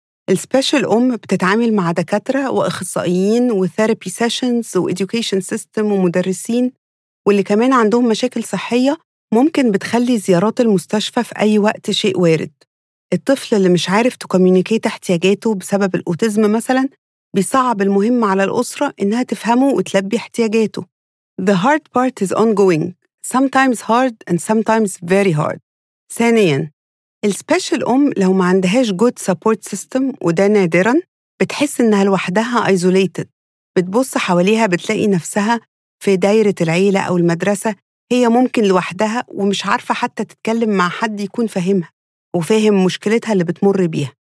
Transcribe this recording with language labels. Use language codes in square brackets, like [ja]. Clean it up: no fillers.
[ar] السبيشال أم بتتعامل مع دكاترة وإخصائيين وثيرابي سيشنز وإديوكيشن سيستم ومدرسين، واللي كمان عندهم مشاكل صحية ممكن بتخلي زيارات المستشفى في أي وقت شيء وارد. الطفل اللي مش عارف تكوميونيكيت احتياجاته بسبب الأوتيزم مثلاً بيصعب المهم على الأسرة إنها تفهمه وتلبي احتياجاته. [en] The hard part is ongoing. Sometimes hard and sometimes very hard. [ar] ثانياً، السبيشال أم لو ما عندهاش [en] good support system، [ar] وده نادراً، بتحس إنها لوحدها isolated. بتبص حواليها بتلاقي نفسها في دائرة العيلة أو المدرسة هي ممكن لوحدها، ومش عارفة حتى تتكلم مع حد يكون فاهمها وفاهم مشكلتها اللي بتمر بيها.